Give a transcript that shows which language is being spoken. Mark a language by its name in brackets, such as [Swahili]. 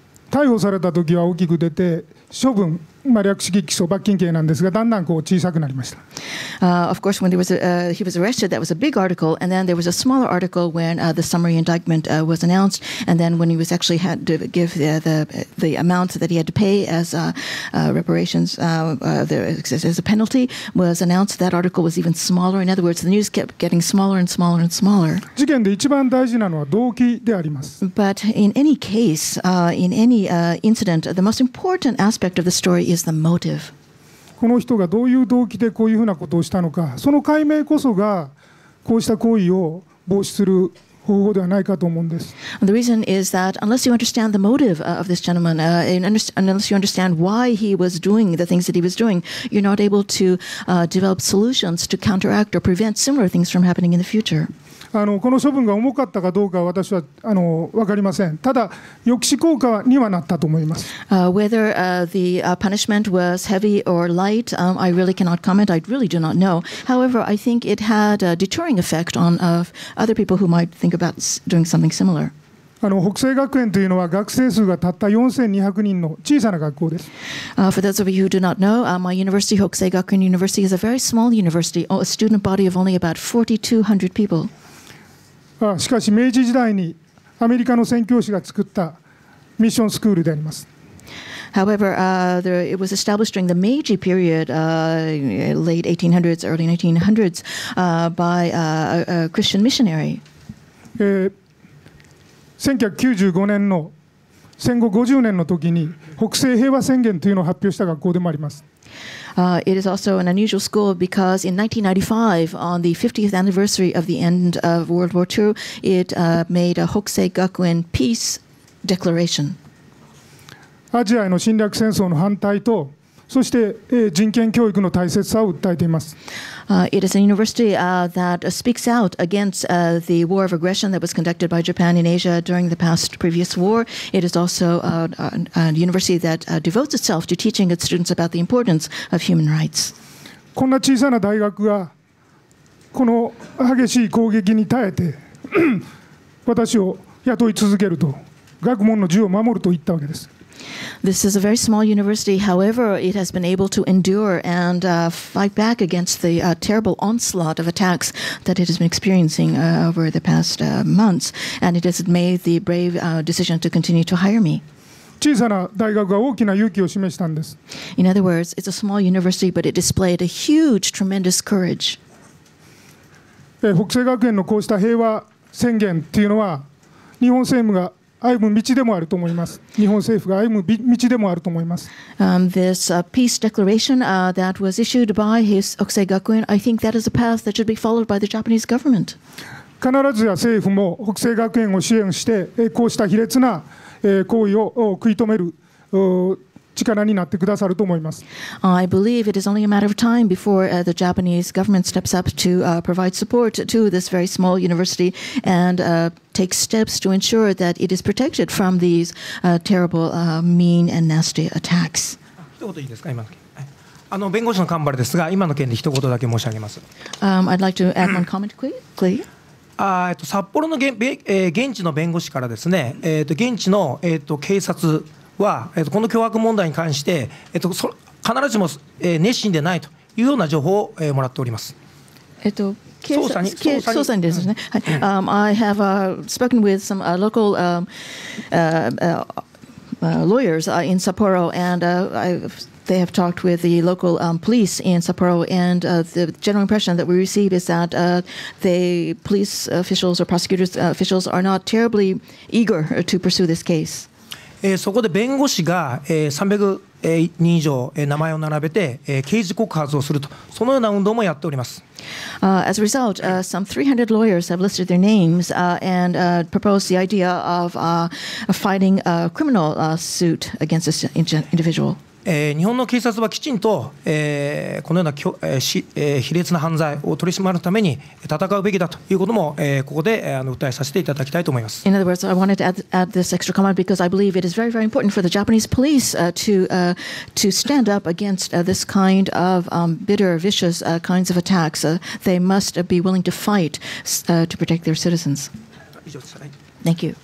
[Japanese] 逮捕された時は大きく出て処分、略式起訴、罰金刑なんですが、だんだんこう小さくなりました。 [English] Of course, when he was arrested, that was a big article, and then there was a smaller article when the summary indictment was announced, and then when he was actually had to give the amount that he had to pay as reparations, as a penalty, was announced, that article was even smaller. In other words, the news kept getting smaller and smaller and smaller. [Japanese] 事件で一番大事なのは動機であります。 [English] But in any case, in any incident, the most important aspect of the story is the motive. [Japanese] この人がどういう動機でこういうふうなことをしたのか、その解明こそがこうした行為を防止する方法ではないかと思うんです。 [English] The reason is that unless you understand the motive of this gentleman, unless you understand why he was doing the things that he was doing, you're not able to develop solutions to counteract or prevent similar things from happening in the future. [Japanese] この処分が重かったかどうかは私は分かりません。ただ抑止効果にはなったと思います。 [English] Whether the punishment was heavy or light, I really cannot comment. I really do not know. However, I think it had a deterring effect on other people who might think about doing something similar. [Japanese] 北星学園というのは学生数がたった4200人の小さな学校です。 [English] For those of you who do not know, my university, 北星学園 University, is a very small university, a student body of only about 4200 people. [Japanese] しかし明治時代にアメリカの宣教師が作ったミッションスクールであります。 [English] However, it was established during the Meiji period, late 1800s, early 1900s, by a Christian missionary. [Japanese] 1995年の戦後50年の時に北星平和宣言というのを発表した学校でもあります。 [English] It is also an unusual school because in 1995, on the 50th anniversary of the end of World War II, it made a Hokusei Gakuen peace declaration. [Japanese] アジアへの侵略戦争の反対と、そして人権教育の大切さを訴えています。 [English] It is a university that speaks out against the war of aggression that was conducted by Japan in Asia during the past previous war. It is also a university that devotes itself to teaching its students about the importance of human rights. [Japanese] こんな小さな大学がこの激しい攻撃に耐えて私を雇い続けると学問の自由を守ると言ったわけです。 [English] This is a very small university, however, it has been able to endure and fight back against the terrible onslaught of attacks that it has been experiencing over the past months, and it has made the brave decision to continue to hire me. [Japanese] 小さな大学が大きな勇気を示したんです。 [English] In other words, it's a small university, but it displayed a huge, tremendous courage. [Japanese] 北星学園のこうした平和宣言というのは、日本政府が歩む道でもあると思います。日本政府が歩む道でもあると思います。 [English] This peace declaration that was issued by his Hokusei Gakuen, I think that is a path that should be followed by the Japanese government. [Japanese] 必ずや政府も北星学園を支援して、こうした卑劣な行為を食い止める力になってくださると思います。 [English] I believe it is only a matter of time before the Japanese government steps up to provide support to this very small university and take steps to ensure that it is protected from these terrible, mean and nasty attacks. [Japanese] 一言いいですか、今の件。弁護士の神原ですが、今の件で一言だけ申し上げます。 [English] I'd like to add one comment quickly. [Japanese] 札幌の現地の弁護士からですね、現地の警察はこの凶悪問題に関して必ずしも熱心でないというような情報をもらっております。捜査にですね、はい、 [English] I have spoken with some local lawyers in Sapporo, and they have talked with the local police in Sapporo, and the general impression that we receive is that the police officials or prosecutors officials are not terribly eager to pursue this case. [Japanese] そこで弁護士が300人以上名前を並べて刑事告発をすると、そのような運動もやっております。 [English] As a result, some 300 lawyers have listed their names and proposed the idea of fighting a criminal suit against this individual. [Japanese] 日本の警察はきちんとこのような卑劣な犯罪を取り締まるために戦うべきだということも、ここで訴えさせていただきたいと思います。 [English] In other words, I wanted to add this extra comment because I believe it is very, very important for the Japanese police to stand up against this kind of bitter, vicious kinds of attacks. They must be willing to fight to protect their citizens. [Japanese] 以上です。 [English] Thank you.